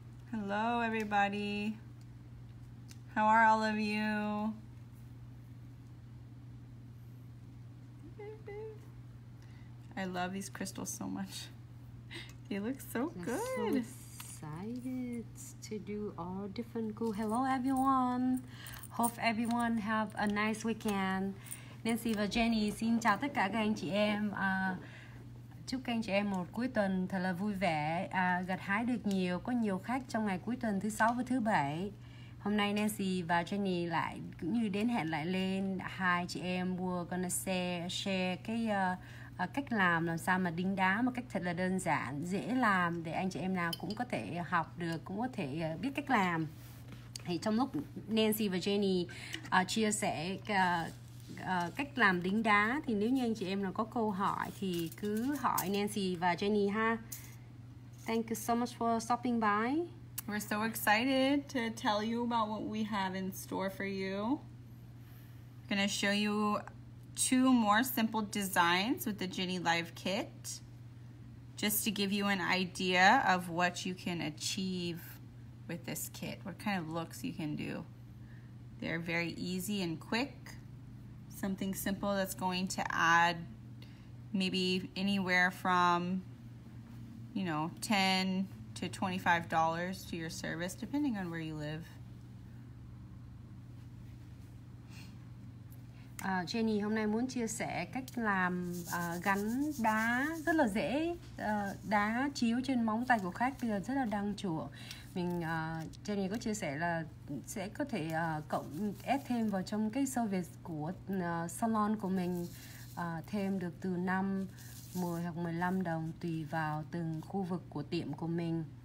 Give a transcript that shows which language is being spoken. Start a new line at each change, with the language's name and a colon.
English: Hello, everybody. How are all of you? I love these crystals so much. They look so good. I'm so excited to do all different cool. Hello, everyone. Hope everyone have a nice weekend.
Vietnamese: Nancy và Jenny xin chào tất cả các anh chị em. Chúc các anh chị em một cuối tuần thật là vui vẻ, gặt hái được nhiều, có nhiều khách trong ngày cuối tuần thứ 6 và thứ 7. Hôm nay Nancy và Jenny lại cũng như đến hẹn lại lên, hai chị em
English: were gonna share
Vietnamese: cái cách làm sao mà đính đá một cách thật là đơn giản, dễ làm để anh chị em nào cũng có thể học được, cũng có thể biết cách làm. Thì trong lúc Nancy và Jenny chia sẻ cách làm đính đá thì nếu như anh chị em nào có câu hỏi thì cứ hỏi Nancy và Jenny ha.
English: Thank you so much for stopping by. We're so excited to tell you about what we have in store for you. I'm gonna show you two more simple designs with the Jenny Live Kit, just to give you an idea of what you can achieve with this kit, what kind of looks you can do. They're very easy and quick. Something simple that's going to add maybe anywhere from, you know, $10 to $25 to your service, depending on where you live.
Vietnamese: Jenny hôm nay muốn chia sẻ cách làm gắn đá rất là dễ, đá chiếu trên móng tay của khách bây giờ rất là đăng chủ. Mình Jenny có chia sẻ là sẽ có thể cộng ép thêm vào trong cái service của salon của mình, thêm được từ 5, 10 hoặc 15 đồng tùy vào từng khu vực của tiệm của mình.